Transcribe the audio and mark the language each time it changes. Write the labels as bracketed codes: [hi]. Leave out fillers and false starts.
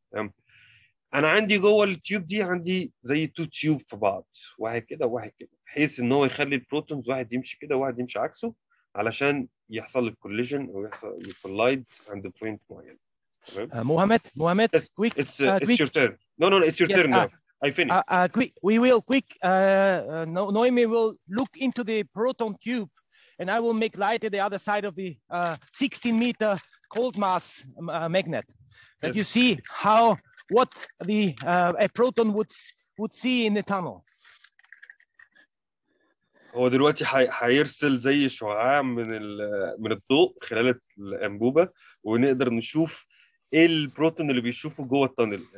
[ar] تمام، انا عندي جوه التيوب دي عندي زي تو تيوب في بعض، واحد كده وواحد كده، بحيث ان هو يخلي البروتونز واحد يمشي كده وواحد يمشي عكسه، علشان يحصل الكوليجن او يحصل الكولايد عند بوينت معين. تمام، [en] Mohamed quick, it's your turn. No it's your turn now, I finish. Quick, we will quick, Noemi will look into the proton tube, and I will make lighter the other side of the 16 meter cold mass magnet. That you see how, what the a proton would see in the tunnel. [ar] هو دلوقتي هيرسل زي شعاع من الضوء خلال الأنبوبة، ونقدر نشوف ايه البروتون اللي بيشوفه جوه التانل.